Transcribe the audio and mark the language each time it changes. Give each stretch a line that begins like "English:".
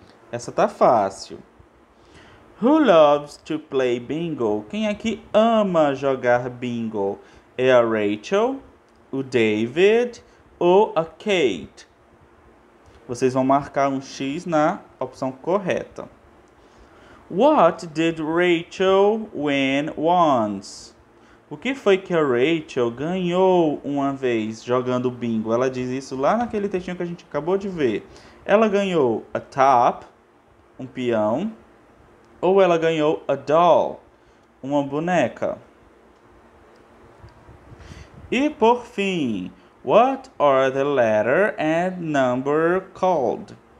Portuguese: Essa tá fácil.
English: Who loves to play bingo?
Portuguese: Quem é que ama jogar bingo? É a Rachel, o David ou a Kate? Vocês vão marcar um X na opção correta.
English: What did Rachel win once?
Portuguese: O que foi que a Rachel ganhou uma vez jogando bingo? Ela diz isso lá naquele textinho que a gente acabou de ver. Ela ganhou a top, um peão. Ou ela ganhou a doll, uma boneca. E por fim,
English: what are the letter and number called?